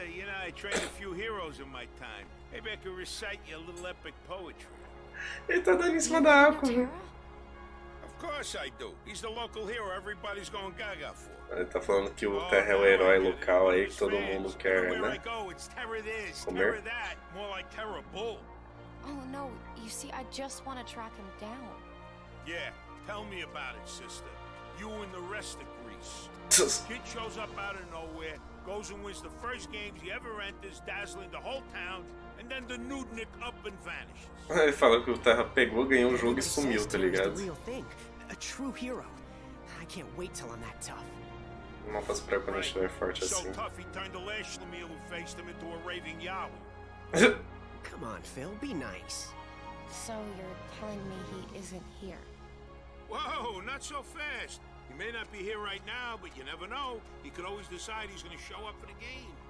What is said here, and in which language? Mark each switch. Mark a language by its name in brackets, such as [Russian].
[English] You know, I trained a few heroes in my time. Maybe I could recite you a little epic poetry. [Portuguese] Ele tá dando em cima da água, né? [English] Of course I do. He's the local hero everybody's going gaga for. [Portuguese] Ele tá falando que o Terra é o herói local aí que todo mundo quer, né? Comer. [English] More like terrible. Oh no, you see, I just want to track him down. Yeah, tell me about it, sister. You and the rest of Greece. Kid shows up out of nowhere, goes and wins the first games he ever enters, dazzling the whole town. And then the Nudnik up and vanishes. [Portuguese] Ele fala que o Terra pegou, ganhou o jogo e sumiu, tá ligado? [English] A true hero. I can't wait till I'm that tough. [Portuguese] Não faço pra quando ele estiver forte assim. [English] So tough, he turned the last Lemiel who faced him into a raving yahoo. Come on, Phil, be nice. So you're telling me he isn't here? Whoa, not so fast. He may not be here right now, but you never know. He could always decide he's gonna show up for the games.